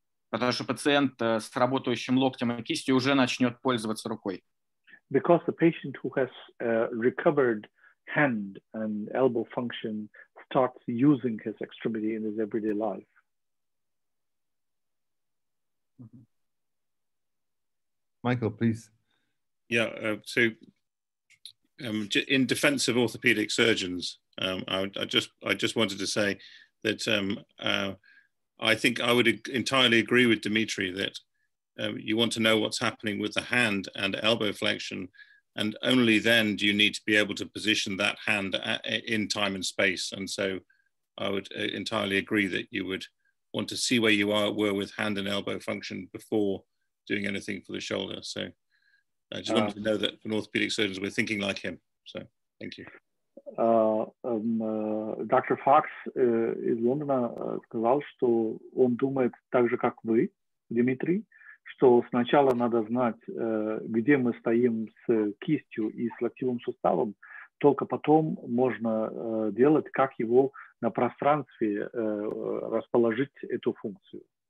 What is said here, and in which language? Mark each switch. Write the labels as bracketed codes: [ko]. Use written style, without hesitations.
[ru] Потому что пациент с работающим локтем и кистью уже начнет пользоваться рукой. [en] Because the patient who has recovered hand and elbow function starts using his extremity in his everyday life. Michael, please. Yeah, in defense of orthopedic surgeons, I just wanted to say that I think I would entirely agree with Dimitri that you want to know what's happening with the hand and elbow flexion, and only then do you need to be able to position that hand in time and space. And so I would entirely agree that you would want to see where you were with hand and elbow function before doing anything for the shoulder. So I just wanted to know that for orthopedic surgeons, we're thinking like him. So thank you. [ru] Dr. Fox из Лондона сказал, что он думает так же, как вы, Дмитрий, что сначала надо знать, где мы стоим с кистью и с локтевым суставом, только потом можно делать, как его на пространстве расположить эту функцию.